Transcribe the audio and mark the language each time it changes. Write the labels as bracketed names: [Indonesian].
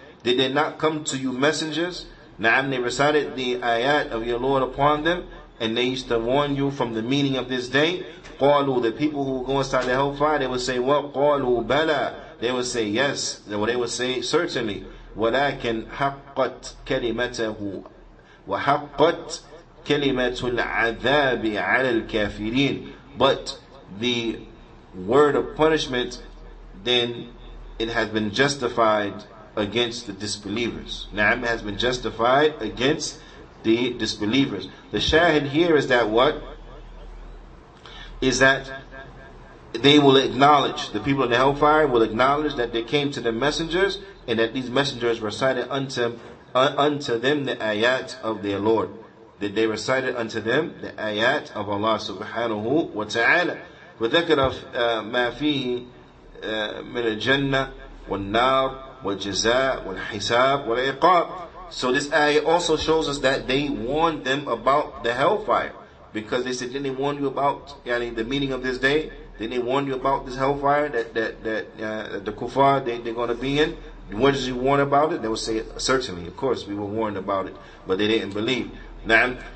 [English] Did they not come to you messengers? نعم. They recited the ayat of your Lord upon them, and they used to warn you from the meaning of this day. [Arabic] قَالُوا. [English] The people who go inside the hellfire, they would say, well, [Arabic] قَالُوا بَلَى. [English] They would say, yes. They would say, certainly. [Arabic] ولكن حقت كلمته وحقت كلمة العذاب على الكافرين. [English] But the word of punishment, then it has been justified against the disbelievers. نعم, has been justified against the disbelievers. The shahid here is that what? Is that they will acknowledge, the people in the hellfire will acknowledge that they came to the messengers and that these messengers recited unto them the ayat of their Lord. That they recited unto them the ayat of Allah subhanahu wa ta'ala. [Arabic] وذكر ما فيه من الجنة والنار والجزاء والحساب والعقاب. [English] So this ayah also shows us that they warned them about the hellfire. Because they said, didn't they warn you about the meaning of this day? Didn't they warn you about this hellfire that the kuffar they're going to be in? What did you warn about it? They will say, certainly, of course, we were warned about it. But they didn't believe. Na'am.